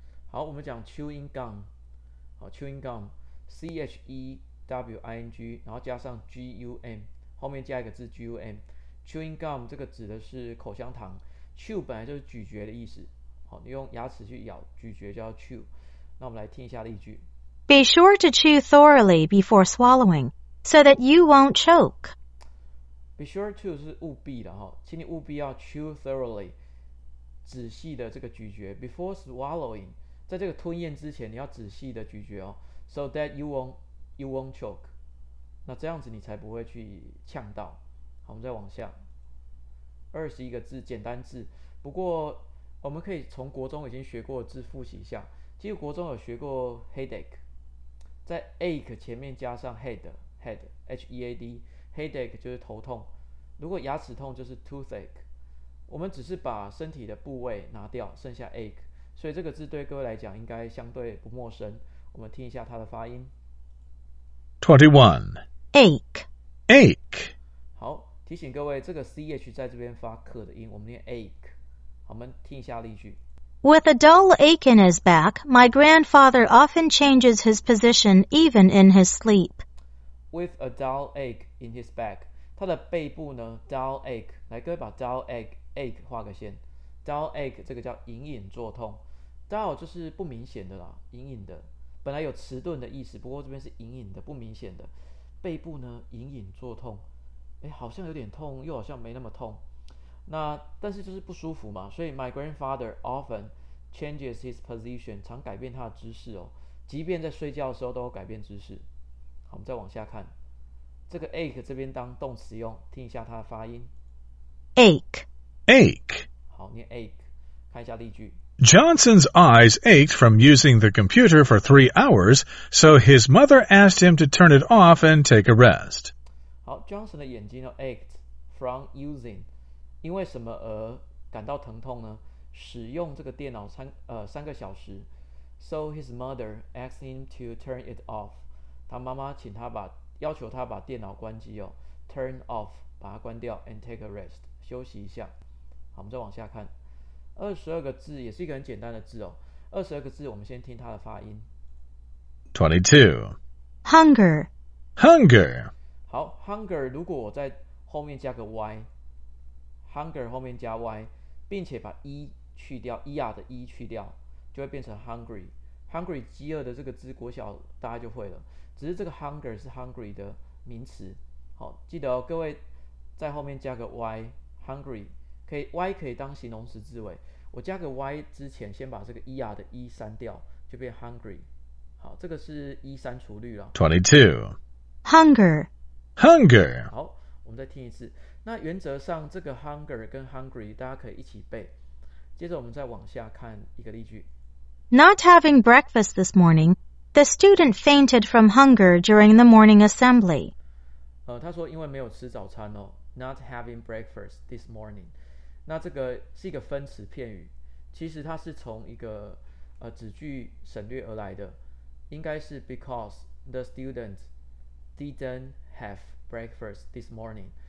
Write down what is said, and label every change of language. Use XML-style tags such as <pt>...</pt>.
<zh>好，我们讲 chewing gum， 好， chewing gumChewing， 然后加上 gum， 后面加一个字 gum， chewing gum 这个指的是口香糖， chew 本来就是咀嚼的意思，好，你用牙齿去咬咀嚼叫 chew。那我们来听一下例句。</zh> <en>Be sure to chew thoroughly before swallowing so that you won't choke.</en> <zh>Be sure to 是务必的，请你务必要</zh> <en>chew thoroughly，</en> <zh>仔细的这个咀嚼，</zh> <en>before swallowing，</en> <zh>在这个吞咽之前你要仔细的咀嚼哦，</zh> <en>So that you won't choke，</en> <zh>那这样子你才不会去呛到。好，我们再往下，二十一个字，简单字。不过我们可以从国中已经学过的字复习一下。其实国中有学过 headache， 在 ache 前面加上 head，head，H-E-A-D， headache 就是头痛。如果牙齿痛就是 toothache， 我们只是把身体的部位拿掉，剩下 ache， 所以这个字对各位来讲应该相对不陌生。我们听一下它的发音 21</zh> <en>ache。</en> <zh>好，提醒各位这个 CH 在这边发克的音，我们念 ache。好，我们听一下例句。</zh> <en>With a dull ache in his back, my grandfather often changes his position even in his sleep. With a dull ache in his back，</en> <zh>他的背部呢 dull ache， 来各位把 dull ache 画个线， dull ache 这个叫隐隐作痛， dull 就是不明显的啦，隐隐的，本来有迟钝的意思，不过这边是隐隐的，不明显的。背部呢，隐隐作痛，哎，好像有点痛，又好像没那么痛。那但是就是不舒服嘛，所以</zh> <en>my grandfather often changes his position，</en> <zh>常改变他的姿势哦，即便在睡觉的时候都改变姿势。好，我们再往下看，这个 ache 这边当动词用，听一下它的发音</zh> <en>ache。</en> <zh>好，念 ache， 看一下例句。</zh> <en>Johnson's eyes ached from using the computer for 3 hours, so his mother asked him to turn it off and take a rest.</en> <zh>好， Johnson 的眼睛</zh> <en>ached from using</en> <zh>因为什么而感到疼痛呢？使用这个电脑3个小时。</zh> <en>So his mother asked him to turn it off.</en> <zh>他妈妈请他把，要求他把电脑关机哦，turn off，把它关掉，</zh> <en>and take a rest，</en> <zh>休息一下。好，我们再往下看，22个字也是一个很简单的字哦。 22个字，我们先听它的发音。</zh> <en>22 Hunger Hunger</en> <zh>好，hunger 如果我在后面加个 y，hunger 后面加 y，并且把 e 去掉，er 的 e 去掉，就会变成 hungry。 hungry 饥饿的这个字，国小大家就会了。只是这个 hunger 是 hungry 的名词。好，记得哦，各位在后面加个 y，hungry 可以 y 可以当形容词字尾。我加个 y 之前，先把这个 er 的 e 删掉，就变 hungry。好，这个是 e 删除率了。</zh> <en>22 Hunger Hunger</en> <zh>好，我们再听一次。那原则上这个 hunger 跟 hungry 大家可以一起背。接着我们再往下看一个例句。</zh> <en>Not having breakfast this morning, the student fainted from hunger during the morning assembly.</en> <zh>他说因为没有吃早餐哦 ,</zh> <en>not having breakfast this morning.</en> <zh>那这个是一个分词片语，其实它是从一个子句省略而来的，应该是</zh> <en>because the student didn't have breakfast this morning.</en>